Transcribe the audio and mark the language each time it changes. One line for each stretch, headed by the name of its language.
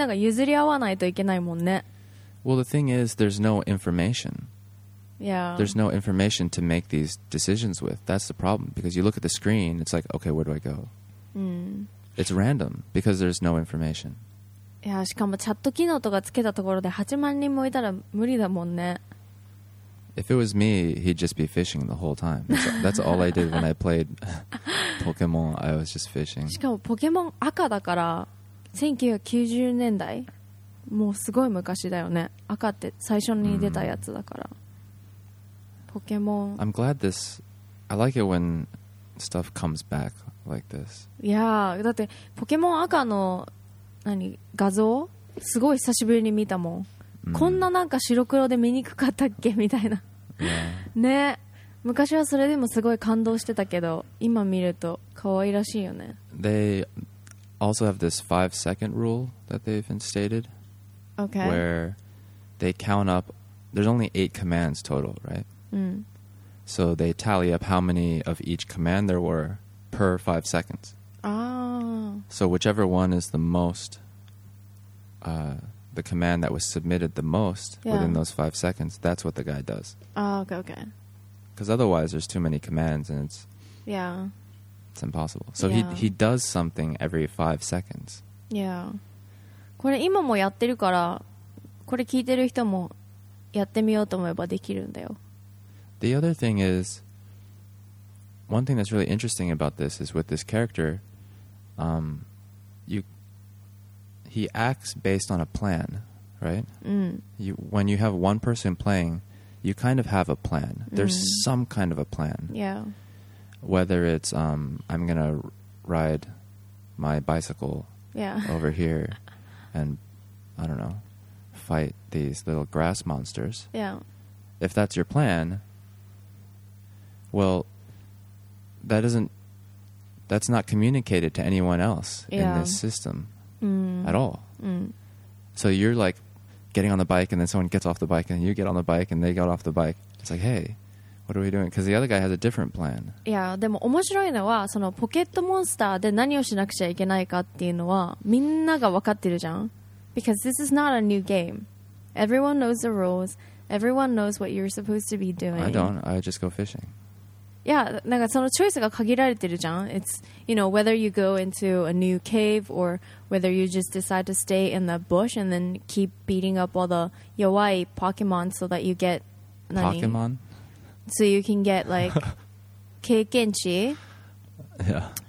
Japanese: ね、まあ無理だよね。ちゃんとやろうと思うと結構みんなが譲り合わないといけないもんね。
English: Well, the thing is, there's no information. Yeah. There's no information to make these decisions with. That's the problem. Because you look at the screen, it's like, okay, where do I go? Mm. It's random because there's no information. Yeah,
Japanese: しかもチャット機能とかつけたところで8万人もいたら無理だもんね。
English: If it was me, he'd just be fishing the whole time. That's all I did when I played Pokemon. I was just fishing.
Japanese: しかもポケモン赤だから1990年代。もうすごい昔だよね。赤って最初に出たやつだから。ポケモン。
English: I'm glad this. I like it when stuff comes back like this.
Japanese: いやー、だってポケモン赤の何画像すごい久しぶりに見たもん。こんななんか白黒で見にくかったっけみたいな。ね、昔はそれでもすごい感動してたけど、今見ると可愛らしいよね。
English: They also have this 5-second rule that they've instated. Okay. Where they count up, there's only 8 commands total, right? Mm. So they tally up how many of each command there were per 5 seconds. Oh. So whichever one is the most, the command that was submitted the most within those 5 seconds, that's what the guy does. Oh, okay, okay. Because otherwise there's too many commands and it's... Yeah. It's impossible. So he does something every 5 seconds. Yeah.
Japanese: これ今もやってるから、これ聞いてる人もやってみようと思えばできるんだよ。
English: The other thing is, one thing that's really interesting about this is with this character, he acts based on a plan, right? Mm. When you have one person playing, you kind of have a plan. There's some kind of a plan. Yeah. Whether it's I'm gonna ride my bicycle over here and, I don't know, fight these little grass monsters. Yeah. If that's your plan, well, that isn't, that's not communicated to anyone else in this system at all. Mm. So you're like getting on the bike and then someone gets off the bike and you get on the bike and they get off the bike. It's like, hey, what are we doing? Because the other guy has a different plan. Yeah,
Japanese: でも面白いのはそのポケットモンスターで何をしなくちゃいけないかっていうのはみんなが分かってるじゃん。
English: Because this is not a new game. Everyone knows the rules. Everyone knows what you're supposed to be doing. I don't. I just go fishing. Yeah,
Japanese: なんかそのチョイスが限られてるじゃん。
English: It's, you know, whether you go into a new cave or whether you just decide to stay in the bush and then keep beating up all the
Japanese: yowai
English: Pokemon so that you get... Pokemon? So you can get, like,
Japanese: 経験値.
English: Yeah.